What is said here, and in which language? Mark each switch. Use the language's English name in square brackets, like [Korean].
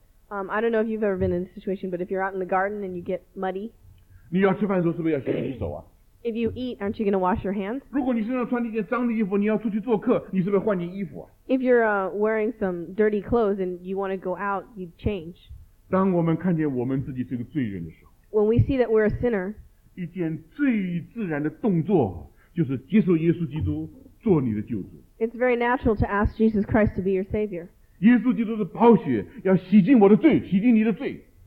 [English] I don't know if you've ever been in this situation, but if you're out in the garden and you get muddy, [Chinese] 你要吃饭的时候是不是要洗手啊? [English] If you eat, aren't you going to wash your hands? [Chinese] 如果你身上穿一件脏的衣服, 你要出去做客, 你是不是换件衣服啊? [English] If you're wearing some dirty clothes and you want to go out, you change. [Chinese] 当我们看见我们自己是个罪人的时候, [English] when we see that we're a sinner, [Chinese] 一件最自然的动作, 就是接受耶稣基督做你的救主。 [English] It's very natural to ask Jesus Christ to be your Savior. [Chinese] 耶稣基督的宝血, 要洗净我的罪, 洗净你的罪。